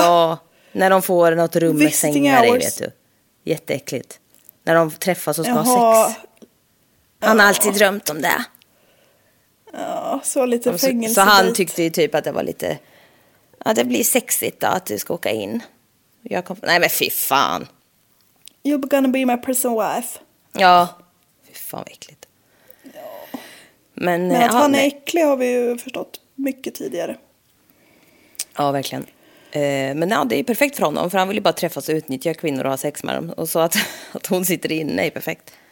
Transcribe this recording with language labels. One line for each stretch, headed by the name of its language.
Swedish: Ja, när de får något rum med sängar i, vet du. Jätteäckligt. När de träffas och ska ha sex. Han har alltid drömt om det. Ja, så lite fängelse. Så han tyckte ju typ att det var lite... Ja, det blir sexigt då, att du ska åka in. Jag kom, nej, men fy fan.
English: You're gonna be my prison wife.
Swedish: Ja. Fy fan, vad äckligt. Ja. Men att han är äcklig har vi ju förstått mycket tidigare. Ja, verkligen. Men ja, det är ju perfekt för honom. För han vill ju bara träffas och utnyttja kvinnor och ha sex med dem. Och så att hon sitter inne är perfekt.